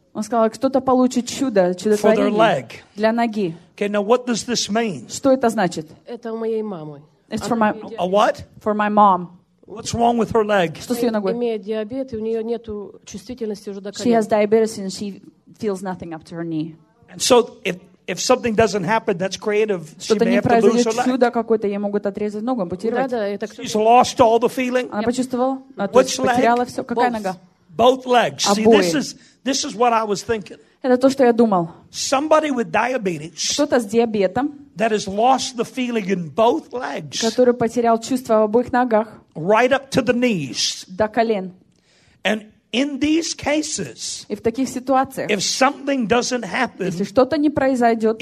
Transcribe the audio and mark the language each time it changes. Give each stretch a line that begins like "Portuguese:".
Russian: Он сказал, кто-то получит чудо, чудотворение для ноги.
English: Okay, now what does this mean?
Russian: Что это значит? Это у моей мамы.
English: It's for my a what? For my mom. What's wrong with her leg?
Russian: Что с ее ногой? Она имеет диабет, и у нее нету чувствительности уже до колена.
English: She has diabetes and she feels nothing up to her knee. And so if something doesn't happen, that's creative.
Russian: Что-то не произойдет, чудо какое-то, ей могут отрезать ногу, ампутировать. Да, это кто-то.
English: She's lost all the feeling.
Russian: Она почувствовала?
English: Which leg?
Russian: Потеряла все. Какая нога?
English: Both legs.
Russian: Обои.
English: See, this is what I was thinking.
Russian: Это то, что я думал.
English: Somebody with diabetes.
Russian: Кто-то с диабетом.
English: That has lost the feeling in both legs.
Russian: Который потерял чувство в обоих ногах.
English: Right up to the knees.
Russian: До колен.
English: And in these cases.
Russian: И в таких ситуациях.
English: If something doesn't happen.
Russian: Если что-то не произойдет.